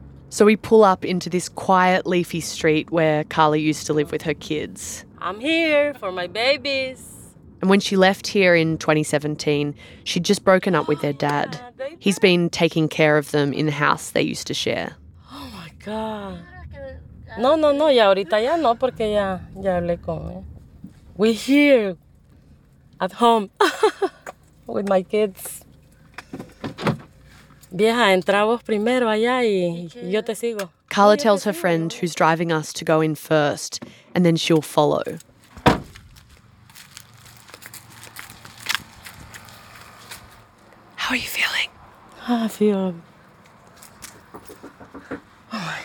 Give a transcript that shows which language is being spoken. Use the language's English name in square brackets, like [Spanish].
[English] So we pull up into this quiet, leafy street where Karla used to live with her kids. I'm here for my babies. And when she left here in 2017, she'd just broken up with their dad. He's been taking care of them in the house they used to share. Oh, my God. [Spanish] No, ya ahorita ya no, porque ya, ya hablé con él. [English] We're here at home with my kids. [Spanish] Vieja, entramos primero allá y yo te sigo. [English] Karla tells her friend who's driving us to go in first, and then she'll follow. How are you feeling? I feel... Oh, my